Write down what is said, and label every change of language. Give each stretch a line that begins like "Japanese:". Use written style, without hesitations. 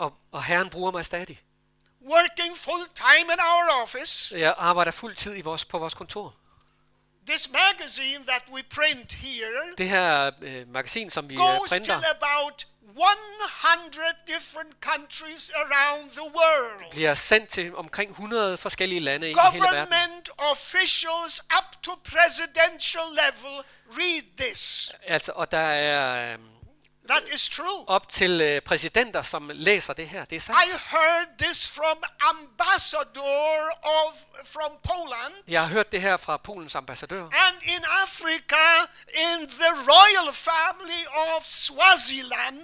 Danish: Og Herren bruger mig stadig.
English: Working full time in our office.
Danish: Jeg arbejder fuld tid på vores kontor.
English: This magazine that we print here.
Danish: Det her magasin som vi printer.
English: Goes to about 100 different countries around the world.
Danish: Bliver sendt til omkring 100 forskellige lande i hele verden.
English: Government officials up to presidential level read this.
Danish: Altså, og der er
English: that is true.
Danish: Op til præsidenter, som læser det her. Det er sandt.
English: I heard this from ambassador from Poland.
Danish: Jeg har hørt det her fra Polens ambassadør.
English: And in Africa, in the royal family of Swaziland.